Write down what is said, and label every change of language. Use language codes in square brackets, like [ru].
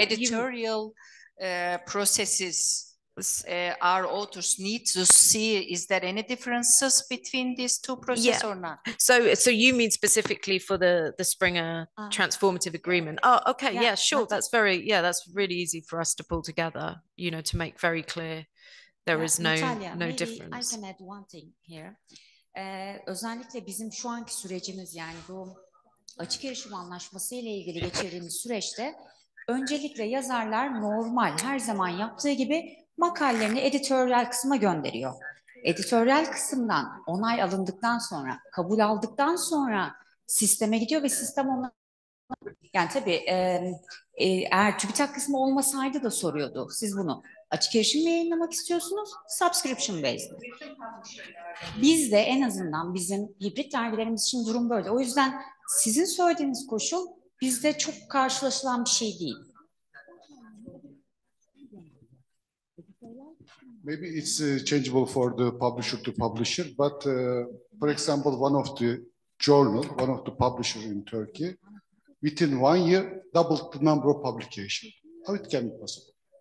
[en] editorial processes our authors need to see, is there any differences between these two processes yeah. or not? So you mean specifically for the Springer transformative agreement? Oh, okay, yeah sure. No, that's very, yeah, that's really easy for us to pull together, you know, to make very clear there yeah, is no Natalia, no maybe difference. I can add one thing here. [tr] Özellikle bizim şu anki sürecimiz, yani bu açık erişim anlaşması ile ilgili geçirdiğimiz süreçte, öncelikle yazarlar normal her zaman yaptığı gibi makalelerini editoryal kısma gönderiyor. Editoryal kısımdan onay alındıktan sonra, kabul aldıktan sonra sisteme gidiyor ve sistem ona, yani tabii eğer TÜBİTAK kısmı olmasaydı da soruyordu, siz bunu açık erişim mi yayınlamak istiyorsunuz, subscription based. Biz de en azından bizim hibrit dergilerimiz için durum böyle. O yüzden sizin söylediğiniz koşul bizde çok karşılaşılan bir şey değil. [en] Maybe it's changeable for the publisher to publisher, but for example, one of the journal, one of the publisher in Turkey, within 1 year doubled the number of publication. How it can be possible?